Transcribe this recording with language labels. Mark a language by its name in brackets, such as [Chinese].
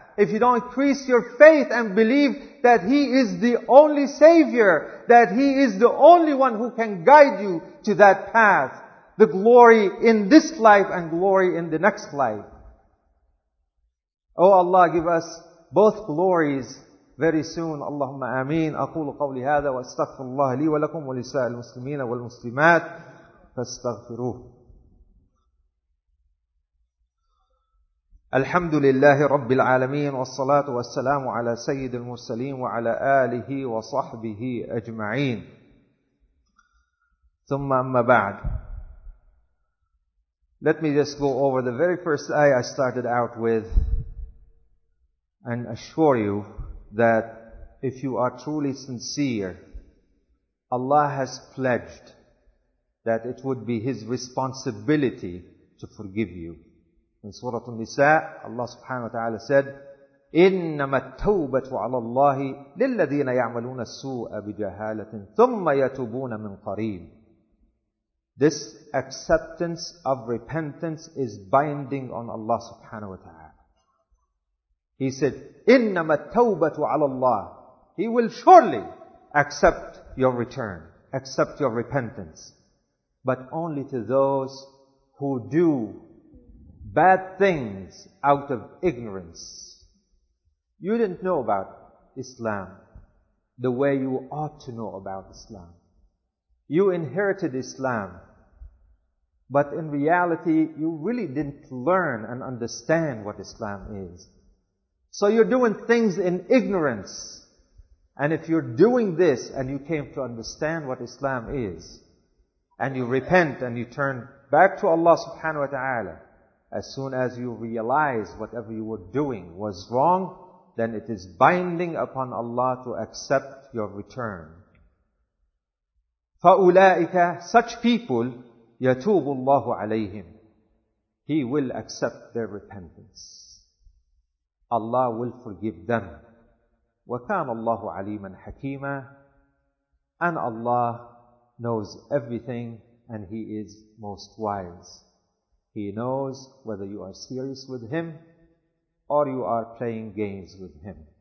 [English] If you don't increase your faith and believe that He is the only Savior, that He is the only one who can guide you to that path, the glory in this life and glory in the next life. Oh Allah, give us both glories very soon. [Arabic] Allahumma ameen. أقول قولي هذا واستغفر الله لي ولكم ولسائر المسلمين والمسلمات فاستغفروه. الحمد لله رب العالمين والصلاة والسلام على سيد المرسلين وعلى آله وصحبه أجمعين. ثم أما بعد. [English] Let me just go over the very first ayah I started out with and assure you that if you are truly sincere, Allah has pledged that it would be His responsibility to forgive you. In Surah An-Nisa, Allah subhanahu wa ta'ala said, [Arabic] إِنَّمَا التَّوْبَةُ عَلَى اللَّهِ لِلَّذِينَ يَعْمَلُونَ السُّوءَ بِجَهَالَةٍ ثُمَّ يَتُوبُونَ مِنْ قَرِيمٍ. [English] This acceptance of repentance is binding on Allah subhanahu wa ta'ala. He said, [Arabic] إِنَّمَا التَّوْبَةُ عَلَى اللَّهِ. [English] He will surely accept your return, accept your repentance. But only to those who do bad things out of ignorance. You didn't know about Islam the way you ought to know about Islam. You inherited Islam, but in reality, you really didn't learn and understand what Islam is. So you're doing things in ignorance. And if you're doing this and you came to understand what Islam is, and you repent and you turn back to Allah subhanahu wa ta'ala, as soon as you realize whatever you were doing was wrong, then it is binding upon Allah to accept your return. [Arabic] فَأُولَٰئِكَ. [English] Such people, [Arabic] يَتُوبُ اللَّهُ عَلَيْهِمْ. [English] He will accept their repentance. Allah will forgive them. [Arabic] وَكَانَ اللَّهُ عَلِيمًا حَكِيمًا. [English] And Allah knows everything and He is most wise. He knows whether you are serious with Him or you are playing games with Him.